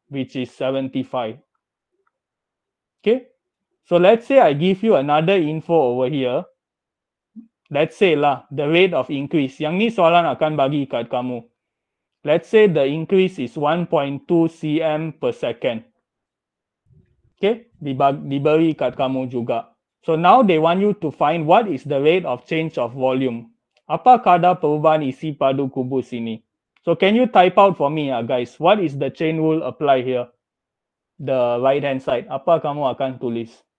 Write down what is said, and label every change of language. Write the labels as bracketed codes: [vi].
[en] Which is 75. Okay, so let's say I give you another info over here. let's say lah, the rate of increase. [ms] Yang ni soalan akan bagi kat kamu. [en] Let's say the increase is 1.2 cm per second. [ms] Okay, diberi kat kamu juga. [en] So now they want you to find what is the rate of change of volume. [ms] Apa kadar perubahan isi padu kubus ini? [en] So can you type out for me, guys? What is the chain rule apply here? The right hand side. [ms] Apa kamu akan tulis?